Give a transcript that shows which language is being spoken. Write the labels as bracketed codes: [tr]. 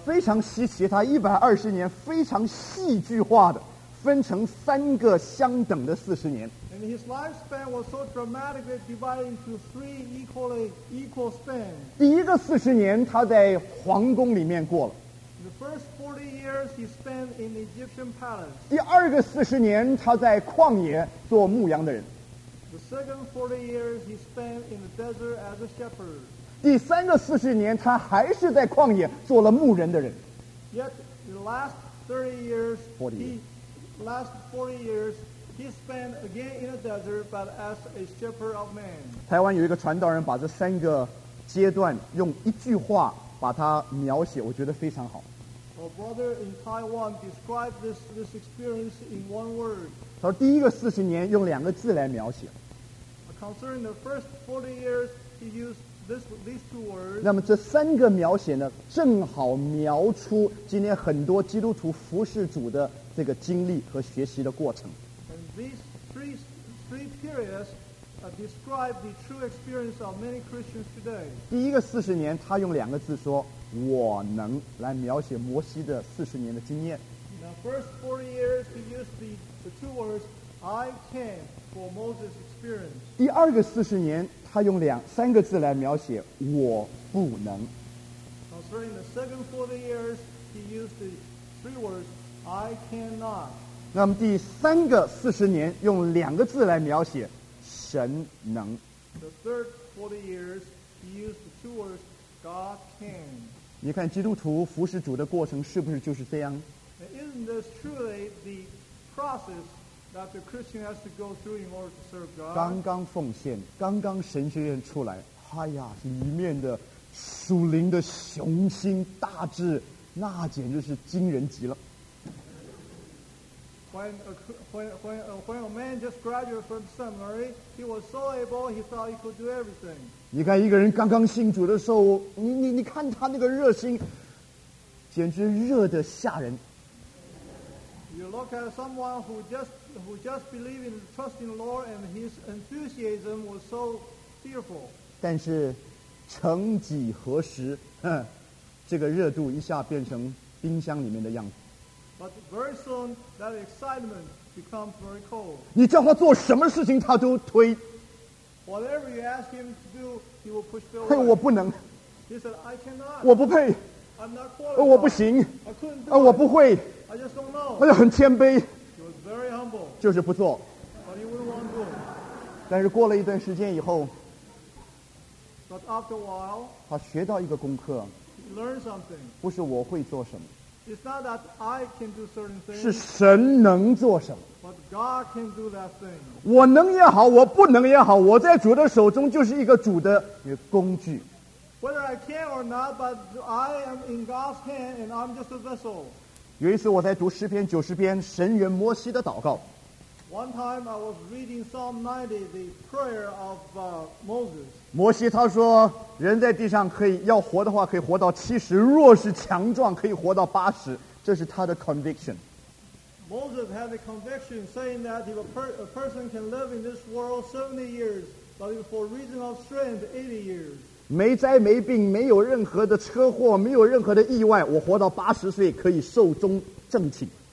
[zh] 非常稀奇，他120年非常戏剧化的分成三个相等的40年。 [en] And his lifespan was so dramatically divided into three equal spans. [zh] 第一个40年，他在皇宫里面过了。 [en] The first 40 years he spent in the Egyptian palace. [zh] 第二个40年，他在旷野做牧羊的人。 [en] The second 40 years he spent in the desert as a shepherd. [zh] 第三个40年，他还是在旷野做了牧人的人。 [en] Yet the last 30 years, last 40 years. He spent again in a desert, but as a shepherd of men. [zh] 台湾有一个传道人把这三个阶段用一句话把它描写，我觉得非常好。 [en] A brother in Taiwan described this experience in one word. [zh] 他说第一个40年用两个字来描写。 [en] Concerning the first 40 years, he used these two words. [zh] 那么这三个描写呢，正好描出今天很多基督徒服侍主的这个经历和学习的过程。 [en] These three periods describe the true experience of many Christians today. [zh] 第一个四十年，他用两个字说“我能”来描写摩西的40年的经验。 [en] The first 40 years, he used the two words "I can" for Moses' experience. [zh] 第二个40年，他用三个字来描写“我不能”。 [en] Concerning the second 40 years, he used the three words "I cannot." [zh] 那么第三个40年用两个字来描写，神能。 [en] The third 40 years, he used the two words, God can. [zh] 你看基督徒服侍主的过程是不是就是这样 [en] ？Isn't this truly the process that the Christian has to go through in order to serve God? [zh] 刚刚奉献，刚刚神学院出来，哎呀，里面的属灵的雄心大志，那简直是惊人极了。 [en] When a man just graduated from seminary, he was so able, he thought he could do everything. [zh] 你看一个人刚刚信主的时候，你看他那个热心，简直热得吓人。 [en] You look at someone who just believed in trusting the Lord, and his enthusiasm was so fearful. [zh] 但是，曾几何时，这个热度一下变成冰箱里面的样子。 [en] But very soon, that excitement becomes very cold. [zh] 你叫他做什么事情，他都推。 [en] Whatever you ask him to do, he will push forward. [zh] 嘿，我不能。 [en] He said, "I cannot." [zh] 我不配。 [en] I'm not qualified. [zh] 我不行。 [en] I couldn't do it. [zh] 我不会。 [en] I just don't know. [zh] 他就很谦卑。 [en] He was very humble. [zh] 就是不做。 [en] But he wouldn't want to do it. [zh] 但是过了一段时间以后 [en] ，But after a while, [zh] 他学到一个功课。 [en] He learned something. [zh] 不是我会做什么。 [en] It's not that I can do certain things. [zh] 是神能做什么？ [en] But God can do that thing. [zh] 我能也好，我不能也好，我在主的手中就是一个主的工具。 [en] Whether I can or not, but I am in God's hand, and I'm just a vessel. [zh] 有一次我在读90篇神员摩西的祷告。 [en] One time I was reading Psalm 90, the prayer of Moses. [zh] 摩西他说，人在地上可以要活的话，可以活到70；若是强壮，可以活到80。这是他的 conviction. [en] Moses had a conviction saying that if a person can live in this world 70 years, but if for reason of strength 80 years. [zh] 没灾没病，没有任何的车祸，没有任何的意外，我活到80岁可以寿终正寝。